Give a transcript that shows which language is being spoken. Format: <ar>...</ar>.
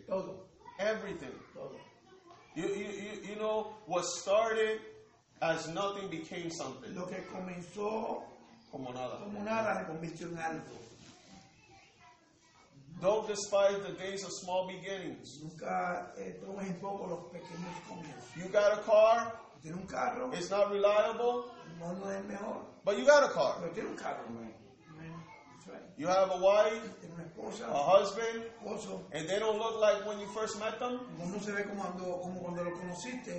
<es>Todo.</es> <en>Everything. You know, what started as nothing became something.</en> <es>Lo que comenzó como nada se convirtió en algo.</es> <en>Don't despise the days of small beginnings.</en> <es>Nunca tomes en poco los pequeños comienzos.</es> <en>You got a car?</en> <es>Tiene un carro.</es> <en>It's not reliable?</en> <es>No, no es mejor.</es> <en>But you got a car.</en> <es>Pero tiene un carro, man.</es> <en>You have a wife,</en> <es>esposa,</es> <en>a husband,</en> <es>esposo,</es> <en>and they don't look like when you first met them.</en> <es>No se ve como cuando lo conociste,</es>